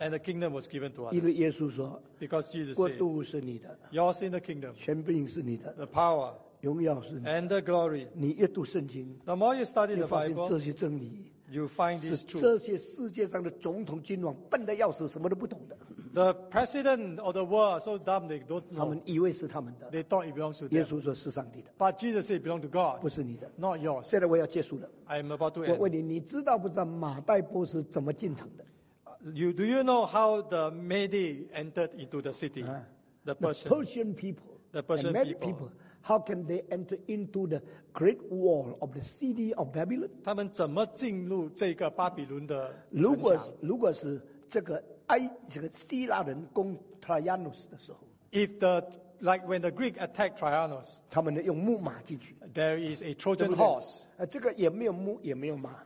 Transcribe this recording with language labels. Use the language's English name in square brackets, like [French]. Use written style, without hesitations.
[English] and the kingdom was given to others, [Chinese] 因为耶稣说 [English] because Jesus said, [Chinese] 国度是你的 [English] yours in the kingdom, [Chinese] 权柄是你的 [English] the power, [Chinese] 荣耀是你的 [English] and the glory, [Chinese] 你越读圣经 [English] the more you study the Bible, [Chinese] 你发现这些真理 [English] you find this truth, [Chinese] 这些世界上的总统君王笨得要死什么都不懂的 [English] The president of the world are so dumb they don't know. [Chinese] 他们以为是他们的。 [English] They thought it belongs to them. [Chinese] 耶稣说是上帝的。 [English] But Jesus said it belongs to God. [Chinese] 不是你的。 [English] Not yours. [Chinese] 现在我要结束了。 [English] I am about to end. [Chinese] 我问你，你知道不知道马代波斯怎么进城的 [English] ？You do you know how the Medi entered into the city? The Persian, the Persian people. The Persian Medi people. How can they enter into the great wall of the city of Babylon? [Chinese] 他们怎么进入这个巴比伦的？如果是这个。埃这个希腊人攻 Trajanus 的时候， [English] If the like when the Greek attack Trianos, [Chinese] 他们用木马进去。 [English] There is a Trojan horse. [Chinese] 这个也没有木，也没有马。